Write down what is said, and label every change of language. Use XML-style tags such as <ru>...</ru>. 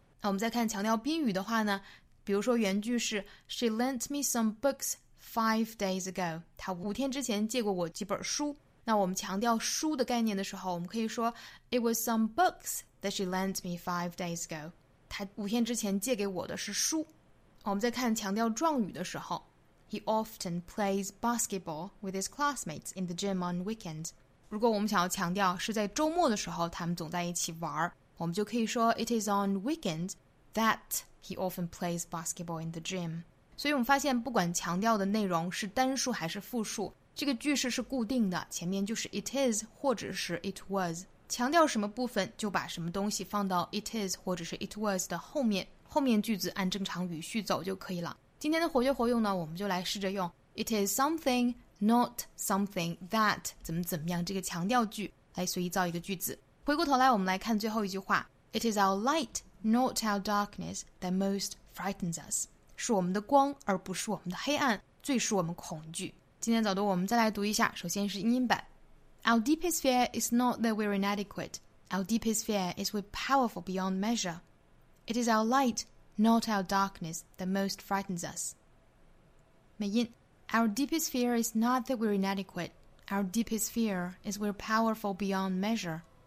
<zh>那我们再看强调宾语的话呢，比如说原句是</zh> <en>She lent me some books 5 days ago.</en> <zh>她五天之前借过我几本书。那我们强调书的概念的时候，我们可以说</zh> <en>It was some books that she lent me 5 days ago.</en> <zh>他五天之前借给我的是书。我们再看强调状语的时候</zh> <en>He often plays basketball with his classmates in the gym on weekends.</en> <zh>如果我们想要强调是在周末的时候他们总在一起玩，我们就可以说</zh> <en>It is on weekends that he often plays basketball in the gym.</en> <zh>所以我们发现不管强调的内容是单数还是复数，这个句式是固定的，前面就是 It is 或者是 It was。强调什么部分就把什么东西放到 it is 或者是 it was 的后面，后面句子按正常语序走就可以了。今天的活学活用呢，我们就来试着用 it is something not something that 怎么怎么样这个强调句来随意造一个句子。回过头来我们来看最后一句话，</zh> <en>it is our light not our darkness that most frightens us，</en> <zh>是我们的光而不是我们的黑暗最使我们恐惧。今天早读我们再来读一下，首先是英音版。</zh> <en>Our deepest fear is not that we're inadequate. Our deepest fear is we're powerful beyond measure. It is our light, not our darkness, that most frightens us.</en> <zh>美音</zh> <en>Our deepest fear is not that we're inadequate. Our deepest fear is we're powerful beyond measure.</en>